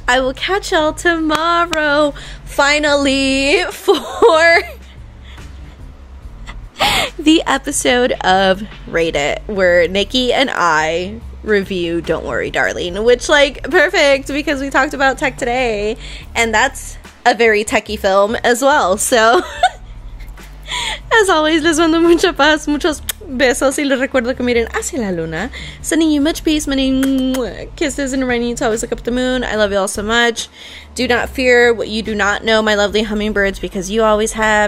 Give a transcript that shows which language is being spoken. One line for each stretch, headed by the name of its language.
English: I will catch y'all tomorrow, finally, for the episode of Rate It, where Nikki and I review Don't Worry Darling, which, like, perfect, because we talked about tech today, and that's a very techie film as well. So, as always,
Spanish: les mando mucha paz, muchos besos, y les recuerdo que miren hacia la luna.
English: Sending you much peace, many kisses, and reminding you to always look up the moon. I love you all so much. Do not fear what you do not know, my lovely hummingbirds, because you always have the potential to learn it. Anyway,